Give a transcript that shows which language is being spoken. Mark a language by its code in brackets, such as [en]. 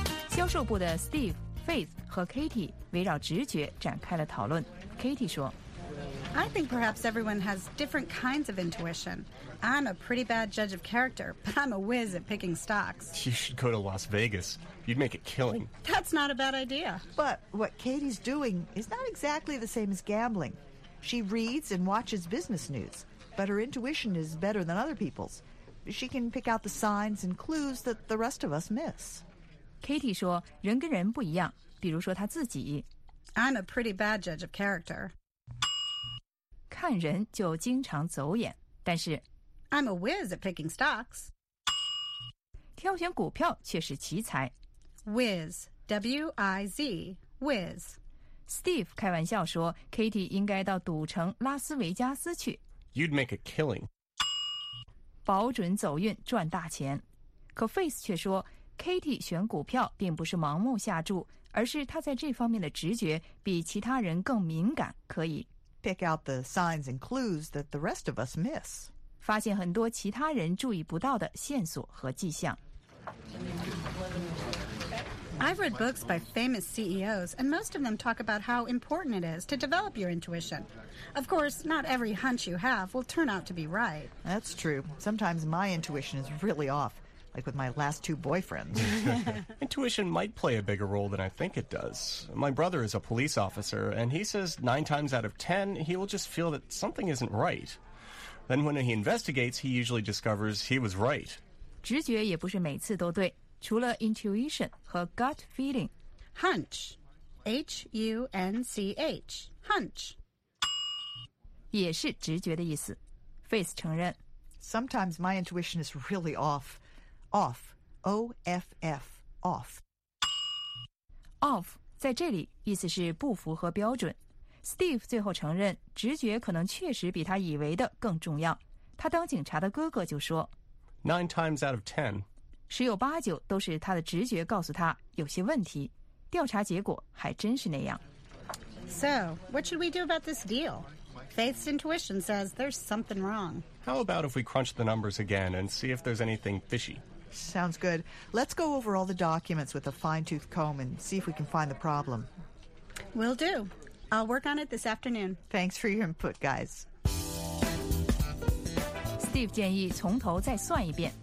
[zh] 销售部的 Steve, Faith, 和 Katie 围绕直觉展开了讨论。 Katie 说 [en] I think perhaps everyone has different kinds of intuition. I'm a pretty bad judge of character, but I'm a whiz at picking stocks. You should go to Las Vegas. You'd make a killing. That's not a bad idea. But what Katie's doing is not exactly the same as gambling. She reads and watches business news, but her intuition is better than other people's. She can pick out the signs and clues that the rest of us miss. [zh] Katie 说人跟人不一样，比如说她自己。 [en] I'm a pretty bad judge of character. [zh] 看人就经常走眼，但是 [en] I'm a whiz at picking stocks. [zh] 挑选股票却是奇才。 [en] Whiz, W-I-Z, whiz. [zh] Steve 开玩笑说 Katie 应该到赌城拉斯维加斯去。 [en] You'd make a killing. [zh] 保准走运赚大钱。可 Face 却说 Katie 选股票并不是盲目下注，而是她在这方面的直觉比其他人更敏感，可以 [en] pick out the signs and clues that the rest of us miss. [zh] 发现很多其他人注意不到的线索和迹象。 [en] I've read books by famous CEOs, and most of them talk about how important it is to develop your intuition. Of course, not every hunch you have will turn out to be right. That's true. Sometimes my intuition is really off, like with my last two boyfriends. Intuition might play a bigger role than I think it does. My brother is a police officer, and he says 9 times out of 10, he will just feel that something isn't right. Then when he investigates, he usually discovers he was right. [zh] 直觉也不是每次都对，除了 intuition 和 gut feeling. [en] Hunch. H-U-N-C-H. Hunch. [zh] 也是直觉的意思。Face 承认。 [en] Sometimes my intuition is really off. Off, O-F-F, off. [zh] Off, 在这里意思是不符合标准。Steve 最后承认直觉可能确实比他以为的更重要。他当警察的哥哥就说 [en] 9 times out of 10. [zh] 十有八九都是他的直觉告诉他有些问题。调查结果还真是那样。 [en] So, what should we do about this deal? Faith's intuition says there's something wrong. How about if we crunch the numbers again and see if there's anything fishy? Sounds good. Let's go over all the documents with a fine-tooth comb and see if we can find the problem. Will do. I'll work on it this afternoon. Thanks for your input, guys. [zh] Steve 建议从头再算一遍。